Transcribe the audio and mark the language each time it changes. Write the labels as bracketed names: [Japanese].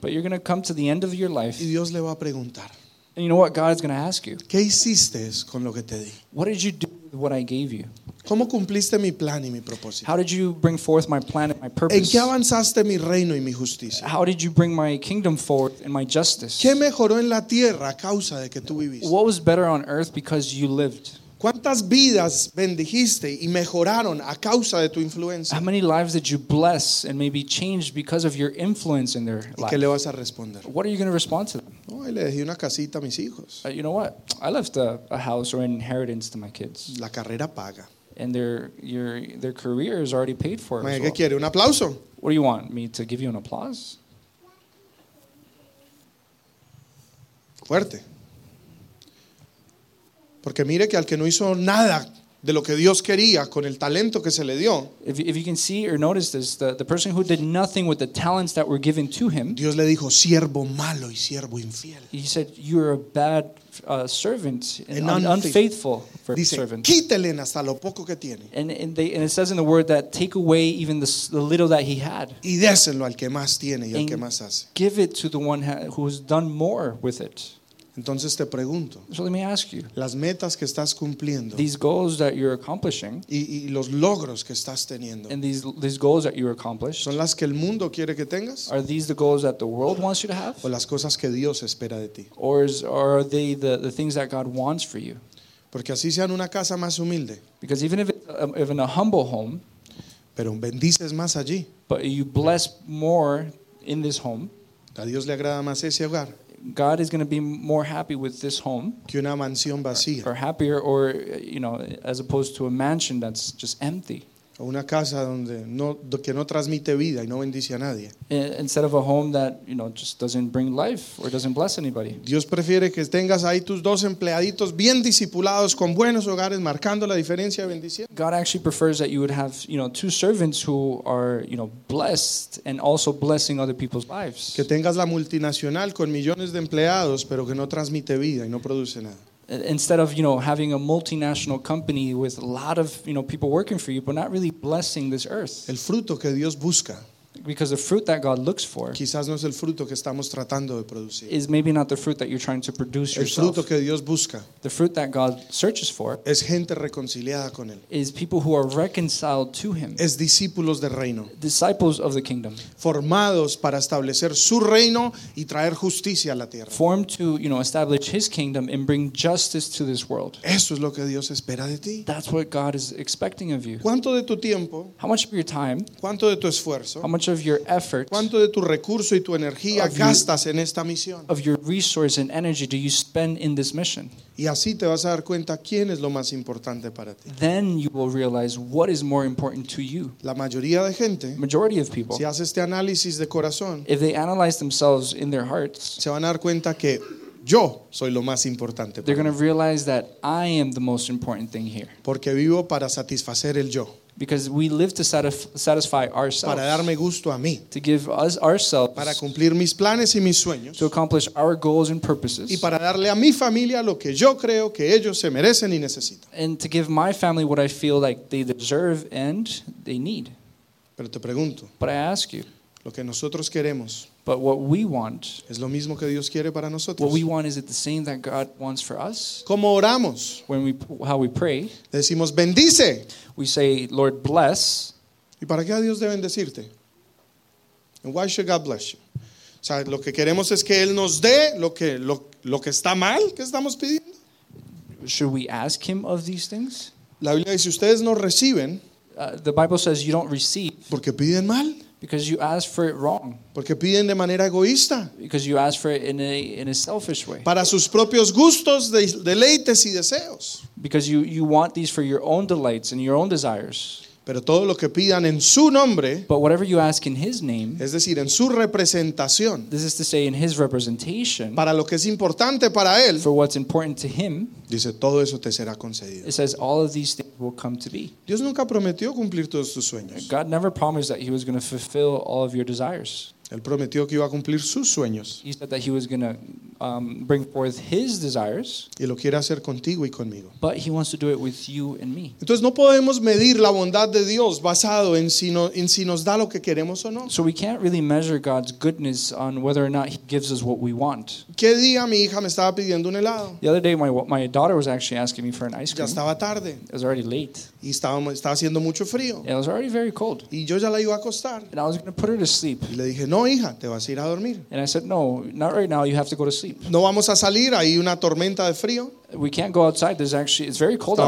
[English] But you're going to come to the end of your life. [Spanish] Y Dios le va a preguntar. [English] And you know what God is going to ask you? [Spanish] ¿Qué hiciste con lo que te di? [English] What did you do with what I gave you? [Spanish] ¿Cómo cumpliste mi plan y mi propósito? [English] How did you bring forth my plan and my purpose? [Spanish] ¿En qué avanzaste mi reino y mi justicia? [English] How did you bring my kingdom forth and my justice? [Spanish] ¿Qué mejoró en la tierra a causa de que tú viviste? [English] What was better on earth because you lived? [Spanish] ¿Cuántas vidas bendijiste y mejoraron a causa de tu influencia? [English] How many lives did you bless and maybe changed because of your influence in their life? [Spanish] ¿Y qué le vas a responder? [English] What are you going to respond to them? [Spanish] Oh, le dejé una casita a mis hijos. [English] You know what? I left a house or an inheritance to my kids. [Spanish] La carrera paga. [English] And their career is already paid for. [Spanish] ¿Qué [English] as well. [Spanish] Quiere? ¿Un aplauso? [English] What do you want? ¿Me to give you an applause? [Spanish] Fuerte. Porque mire que al que no hizo nada de lo que Dios quería con el talento que se le dio. [English] If you can see or notice this, the person who did nothing with the talents that were given to him. [Spanish] Dios le dijo, siervo malo y siervo infiel. [English] He said, you are a bad servant, an unfaithful for [Spanish] dice, [English] servant. [Spanish] Dice, quítele hasta lo poco que tiene. [English] And it says in the word that take away even the little that he had. [Spanish] Y déselo al que más tiene y al que más hace. [English] Give it to the one who has done more with it. [Spanish] Entonces te pregunto, [English] so let me ask you, [Spanish] las metas que estás cumpliendo, [English] these goals that you're accomplishing, [Spanish] y los logros que estás teniendo, [English] and these goals that you accomplished, [Spanish] son las que el mundo quiere que tengas, [English] are these the goals that the world wants you to have, [Spanish] o las cosas que Dios espera de ti, [English] or are they the things that God wants for you? [Spanish] Porque así sean una casa más humilde, [English] because even if it's in a humble home, [Spanish] pero bendices más allí, [English] but you bless more in this home, [Spanish] a Dios le agrada más ese hogar. [English] God is going to be more happy with this home, [Spanish] que una mansión vacía, [English] or happier, or you know, as opposed to a mansion that's just empty. [Spanish] O una casa donde no, que no transmite vida y no bendice a nadie. [English] Instead of a home that, you know, just doesn't bring life or doesn't bless anybody. [Spanish] Dios prefiere que tengas ahí tus dos empleaditos bien discipulados con buenos hogares marcando la diferencia y bendiciendo. [English] God actually prefers that you would have, you know, two servants who are, you know, blessed and also blessing other people's lives. [Spanish] Que tengas la multinacional con millones de empleados pero que no transmite vida y no produce nada. [English] Instead of, you know, having a multinational company with a lot of, you know, people working for you, but not really blessing this earth. [Spanish] El fruto que Dios busca, [English] because the fruit that God looks for, [Spanish] quizás no es el fruto que estamos tratando de producir, [English] is maybe not the fruit that you're trying to produce [Spanish] el [English] yourself. [Spanish] Fruto que Dios busca, [English] the fruit that God searches for, [Spanish] es gente reconciliada con él, [English] is people who are reconciled to him. [Spanish] Es discípulos del reino, [English] disciples of the kingdom. [Spanish] Formados para establecer su reino y traer justicia a la tierra. [English] Formed to, you know, establish his kingdom and bring justice to this world. [Spanish] Eso es lo que Dios espera de ti. [English] That's what God is expecting of you. [Spanish] ¿Cuánto de tu tiempo? [English] How much of your time? [Spanish] ¿Cuánto de tu esfuerzo? [English] How much of your effort, [Spanish] ¿cuánto de tu recurso y tu energía gastas en esta misión? [English] Of your resource and energy do you spend in this mission? [Spanish] Y así te vas a dar cuenta quién es lo más importante para ti. [English] Then you will realize what is more important to you. [Spanish] La mayoría de gente, [English] majority of people, [Spanish] si hace este análisis de corazón, [English] if they analyze themselves in their hearts, [Spanish] se van a dar cuenta que yo soy lo más importante. [English] They're going to realize that I am the most important thing here. [Spanish] Porque vivo para satisfacer el yo. [English] Because we live to satisfy ourselves. [Spanish] Para darme gusto a mí. [English] To give us ourselves. [Spanish] Para cumplir mis planes y mis sueños. [English] To accomplish our goals and purposes. [Spanish] Y para darle a mi familia lo que yo creo que ellos se merecen y necesitan. [English] And to give my family what I feel like they deserve and they need. [Spanish] Pero te pregunto. [English] But I ask you. [Spanish] Lo que nosotros queremos. [English] But what we want. [Spanish] Es lo mismo que Dios quiere para nosotros. [English] What we want, is it the same that God wants for us? [Spanish] ¿Cómo oramos? [English] When we, how we pray. [Spanish] Decimos, bendice. [English] We say, Lord, bless. [Spanish] ¿Y para qué a Dios debe bendecirte? [English] And why should God bless you? [Spanish] O sea, lo que queremos es que Él nos dé lo que está mal que estamos pidiendo. [English] Should we ask Him of these things? [Spanish] La Biblia dice, ustedes no reciben. [English] The Bible says you don't receive. [Spanish] Porque piden mal. [English] Because you ask for it wrong. [Spanish] Porque piden de manera egoísta. [English] Because you ask for it in a selfish way. [Spanish] Para sus propios gustos, deleites y deseos. [English] Because you want these for your own delights and your own desires. [Spanish] Pero todo lo que pidan en su nombre, [English] but whatever you ask in his name, [Spanish] es decir, en su representación, [English] this is to say in his representation, [Spanish] para lo que es importante para él, [English] for what's important to him, [Spanish] dice, todo eso te será concedido. [English] It says all of these things will come to be. [Spanish] Dios nunca prometió cumplir todos tus sueños. [English] God never promised that he was going to fulfill all of your desires. [Spanish] Él prometió que iba a cumplir sus sueños. [English] He said that he was going to bring forth his desires. [Spanish] Y lo quiere hacer contigo y conmigo. [English] But he wants to do it with you and me. [Spanish] Entonces no podemos medir la bondad de Dios basado en si nos da lo que queremos o no. [English] So we can't really measure God's goodness on whether or not he gives us what we want. [Spanish] ¿Qué día mi hija me estaba pidiendo un helado? [English] The other day my daughter was actually asking me for an ice cream. [Spanish] Ya estaba tarde. [English] It was already late. [Spanish] Y estaba haciendo mucho frío. [English] It was already very cold. [Spanish] Y yo ya la iba a acostar. [English] And I was going to put her to sleep. [Spanish] Y le dije, no, hija, te vas a ir a dormir. [English] And I said, no, not right now, you have to go to sleep. [Spanish] No vamos a salir, hay una tormenta de frío. [English] We can't go outside, there's actually, it's very cold.